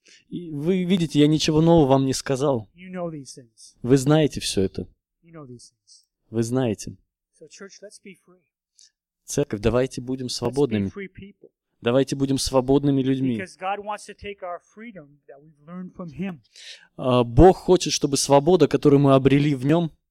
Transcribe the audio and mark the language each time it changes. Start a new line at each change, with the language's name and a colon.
Russian: Вы видите, я ничего нового вам не сказал.
English: You know these things.
Russian: Вы знаете все это.
English: You know these things.
Russian: Вы знаете.
English: So, church, let's be free.
Russian: Церковь, давайте будем свободными.
English: Let's be free people.
Russian: Давайте будем свободными людьми.
English: Because God wants to take our freedom that we've learned from Him.
Russian: Бог хочет, чтобы свобода, которую мы обрели в Нем,